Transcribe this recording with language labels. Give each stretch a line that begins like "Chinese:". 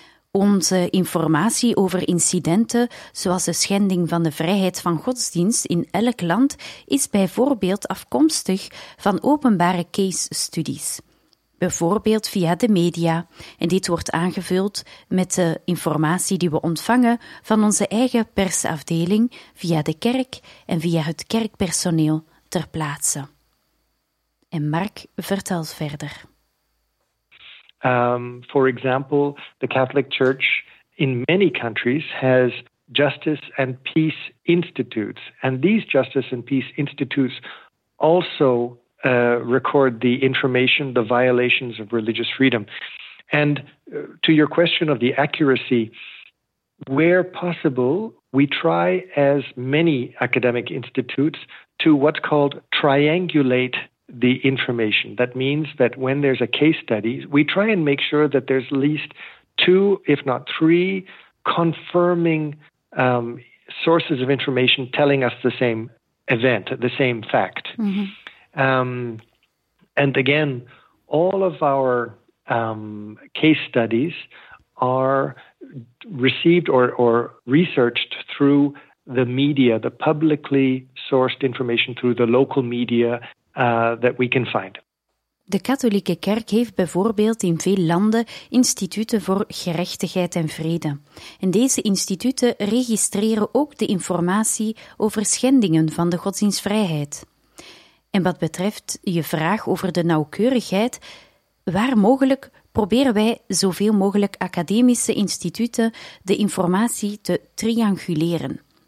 Dutch: Onze informatie over incidenten, zoals de schending van de vrijheid van godsdienst in elk land, is bijvoorbeeld afkomstig van openbare case studies. Bijvoorbeeld via de media, en dit wordt aangevuld met de informatie die we ontvangen van onze eigen persafdeling, via de kerk en via het kerkpersoneel ter plaatse. En Mark vertelt verder.
English: For example, the Catholic Church in many countries has justice and peace institutes. And these justice and peace institutes also record the information, the violations of religious freedom. And to your question of the accuracy, where possible, we try as many academic institutes to what's called triangulate the information. That means that when there's a case study, we try and make sure that there's at least two, if not three, confirming sources of information telling us the same event, the same fact. Mm-hmm. And again, all of our case studies are received or researched through the media, the publicly sourced information through the local media that we can find.
Dutch: De Katholieke Kerk heeft bijvoorbeeld in veel landen instituten voor gerechtigheid en vrede. En deze instituten registreren ook de informatie over schendingen van de godsdienstvrijheid. En wat betreft je vraag over de nauwkeurigheid, waar mogelijk proberen wij zoveel mogelijk academische instituten de informatie te trianguleren.